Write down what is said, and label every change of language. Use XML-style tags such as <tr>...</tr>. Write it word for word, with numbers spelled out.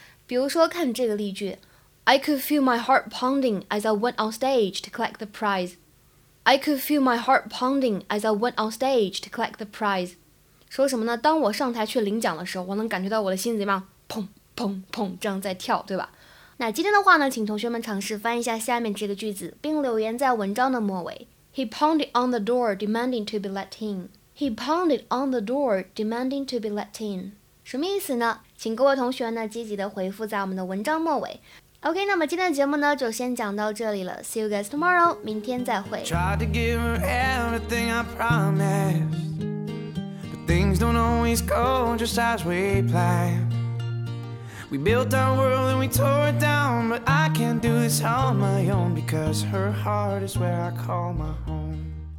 <zh>比如说看这个例句</zh> <en>I could feel my heart pounding as I went on stage to collect the prize. I could feel my heart pounding as I went on stage to collect the prize.</en> <zh>说什么呢？当我上台去领奖的时候，我能感觉到我的心怎么样？砰砰砰，这样在跳，对吧？那今天的话呢，请同学们尝试翻译一下下面这个句子，并留言在文章的末尾。</zh> <en>He pounded on the door, demanding to be let in. He pounded on the door, demanding to be let in.</en> <zh>什么意思呢？请各位同学呢积极的回复在我们的文章末尾。OK， 那么今天的节目呢，就先讲到这里了。</zh> <en>See you guys tomorrow，</en> <zh>明天再会。</zh> <en>Tried to give her everything I promised, but things don't always go just as we planned. We built our world and we tore it down, but I can't do this on my own because her heart is where I call my home.</en>